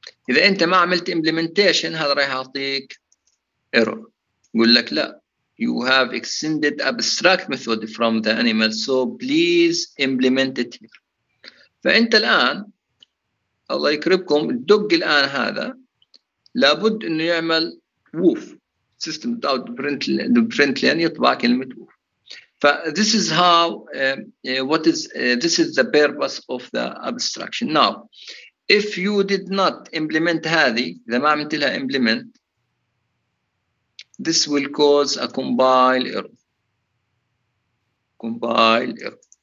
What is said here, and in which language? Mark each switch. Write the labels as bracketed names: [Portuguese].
[Arabic] إذا أنت ما عملت implementation هذا راح يعطيك error. يقول لك لا. [English] You have extended abstract method from the animal, so please implement it here. [Arabic] فأنت الآن الله يكرمكم الدق الآن هذا لابد إنه يعمل woof system out print line يطبع كلمة woof. [English] ف this is how what is this is the purpose of the abstraction. Now if you did not implement [Arabic] هذه إذا ما عملت لها [English] implement this will cause a compile error. Compile error.